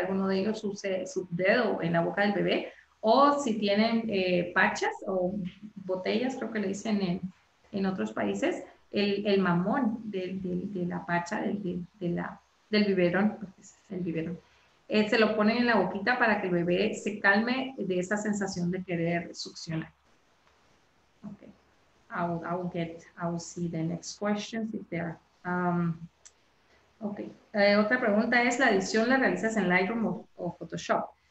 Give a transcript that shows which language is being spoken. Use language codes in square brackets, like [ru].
[es] Alguno de ellos use su dedo en la boca del bebé, o si tienen pachas o botellas, creo que le dicen en otros países, el mamón de la pacha del biberón, porque es el biberón. Se lo ponen en la boquita para que el bebé se calme de esa sensación de querer succionar. [en] I'll see the next question if there are. [es] Otra pregunta es, ¿la edición la realizas en Lightroom o Photoshop?